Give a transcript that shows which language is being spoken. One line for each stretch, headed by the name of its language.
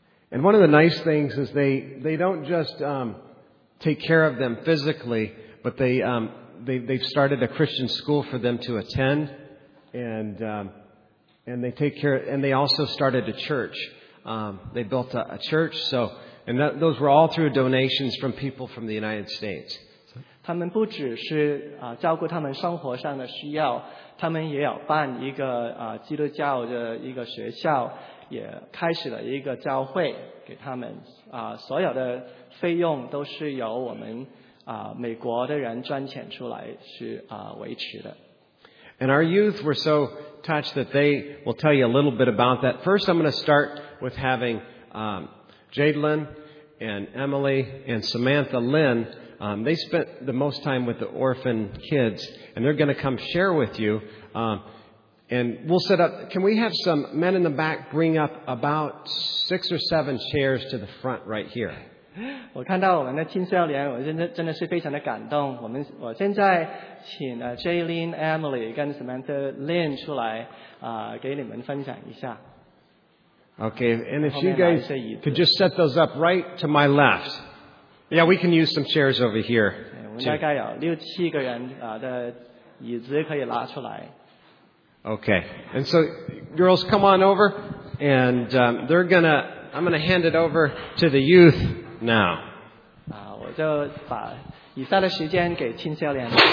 English: And one of the nice things is they don't just take care of them physically, but they've started a Christian school for them to attend, and they take care, and they also started a church. They built a church, those were all through donations from people from the United States.
Chinese: 他们不只是照顾他们生活上的需要，他们也有办一个基督教的一个学校，也开始了一个教会给他们，所有的费用都是由我们美国的人捐钱出来去维持的。
English: And our youth were so touched that they will tell you a little bit about that. First, I'm going to start with having Jadelyn and Emily and Samantha Lynn. They spent the most time with the orphan kids, and they're going to come share with you. And we'll set up. Can we have some men in the back bring up about 6 or 7 chairs to the front right here?
Chinese: 我看到我们的青少年，我真的是非常的感动。我现在请Jaylene、Emily 跟 Samantha Lynn 出来给你们分享一下。
English: Okay, and if you guys could just set those up right to my left. Yeah, we can use some chairs over here.
Chinese: 我们大概有六七个人的椅子可以拉出来。
English: Okay, and so girls, come on over, and I'm gonna hand it over to the youth. Now,
Chinese: 我就把以下的时间给青少年。